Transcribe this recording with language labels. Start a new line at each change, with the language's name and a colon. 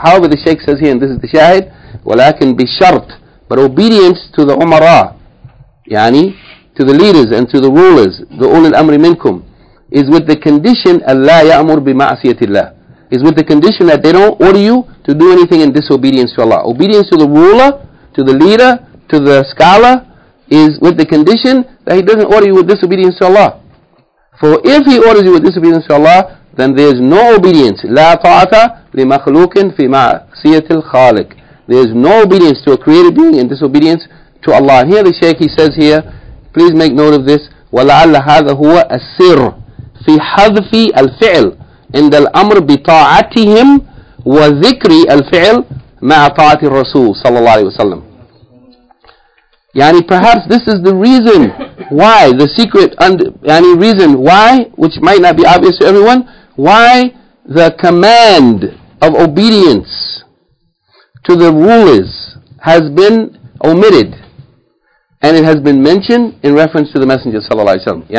English: However, the Shaykh says here, and this is the Shahid, walakin bishart, but obedience to the umara, yani to the leaders and to the rulers, the ulil amri minkum, is with the condition Allah ya'mur bima'asiyatillah, is with the condition that they don't order you to do anything in disobedience to Allah. Obedience to the ruler, to the leader, to the scholar, is with the condition that he doesn't order you with disobedience to Allah. For if he orders you with disobedience to Allah, then there is no obedience.
Arabic: لا طاعة لمخلوق في معصية الخالق.
English: There is no obedience to a created being in disobedience to Allah. And here the Shaykh, he says here, please make note of this,
Arabic: ولعل هذا هو السر في حذف الفعل عند الأمر بطاعتهم وذكر الفعل مع طاعة الرسول صلى الله عليه وسلم.
English: Yani perhaps this is the reason why, the secret reason why, which might not be obvious to everyone, why the command of obedience to the rulers has been omitted, and it has been mentioned in reference to the Messenger sallallahu alaihi wasallam.